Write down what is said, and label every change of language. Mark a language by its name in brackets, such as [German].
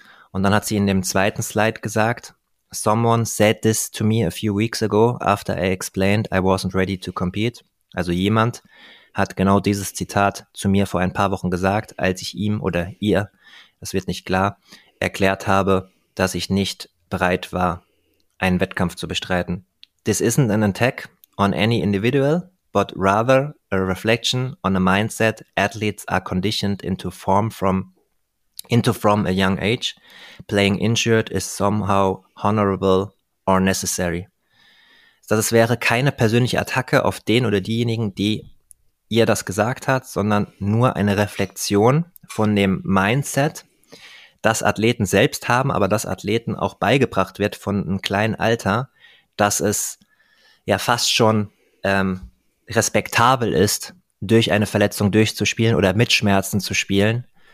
[German] Und dann hat sie in dem zweiten Slide gesagt, [English] someone said this to me a few weeks ago after I explained I wasn't ready to compete. [German] Also jemand hat genau dieses Zitat zu mir vor ein paar Wochen gesagt, als ich ihm oder ihr, das wird nicht klar, erklärt habe, dass ich nicht bereit war, einen Wettkampf zu bestreiten. [English] This isn't an attack on any individual, but rather a reflection on a mindset athletes are conditioned into from a young age. Playing injured is somehow honorable or necessary. [German] Das wäre keine persönliche Attacke auf den oder diejenigen, die ihr das gesagt hat, sondern nur eine Reflexion von dem Mindset, das Athleten selbst haben, aber das Athleten auch beigebracht wird von einem kleinen Alter, dass es ja fast schon respektabel ist, durch eine Verletzung durchzuspielen oder mit Schmerzen zu spielen.